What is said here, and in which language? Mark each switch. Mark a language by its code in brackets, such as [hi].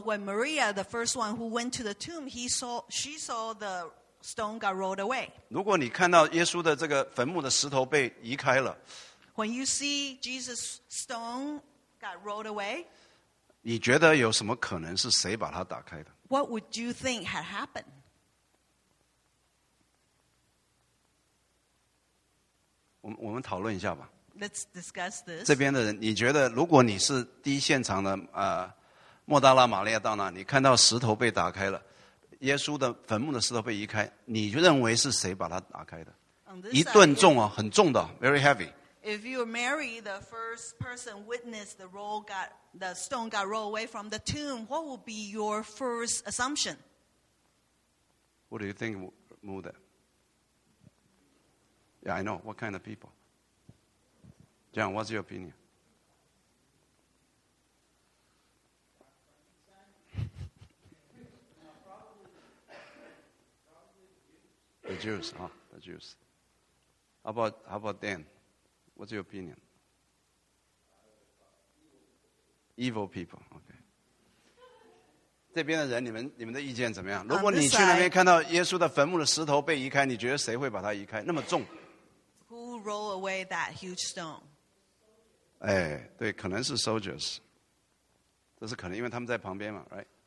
[en] So when Maria, the first one who went to the tomb, she saw the stone got rolled away. [zh] 如果你看到耶稣的这个坟墓的石头被移开了， [en] When you see Jesus' stone got rolled away, [zh] 你觉得有什么可能是谁把它打开的？ [en] What would you think had happened? [zh] 我们讨论一下吧。 [en] Let's discuss this. [zh] 这边的人，你觉得如果你是第一现场的， 莫大拉玛利亚到那，你看到石头被打开了，耶稣的坟墓的石头被移开，你认为是谁把它打开的？一顿重啊，很重的， [en] very heavy. If you were Mary, the first person witnessed the roll got the stone got rolled away from the tomb, what would be your first assumption? What do you think, Muda? Yeah, I know. What kind of people? John, what's your opinion? The Jews, huh? The Jews. How about Dan? What's your opinion? Evil people, okay. [zh] 这边的人，你们的意见怎么样？如果你去那边看到耶稣的坟墓的石头被移开， 你觉得谁会把它移开？那么重。 [en] Who rolled away that huge stone? [zh] 哎，对，可能是 soldiers， 这是可能，因为他们在旁边嘛 ，right？